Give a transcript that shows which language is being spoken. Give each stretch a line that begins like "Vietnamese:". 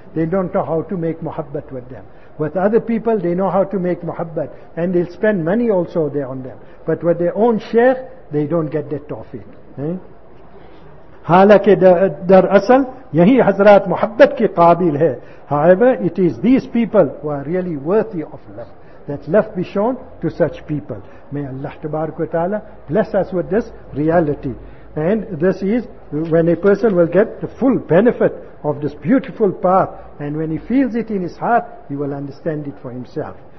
English: They don't know how to make muhabbat with them. With other people, they know how to make muhabbat, and they'll spend money also there on them. But with their own sheikh, they don't get that tawfiq.
Urdu: حالانکہ در اصل یہی حضرات محبت کے قابل ہے.
English: However, it is these people who are really worthy of love. That love be shown to such people. May Allah tabarak wa ta'ala bless us with this reality. And this is when a person will get the full benefit of this beautiful path, and when he feels it in his heart, he will understand it for himself.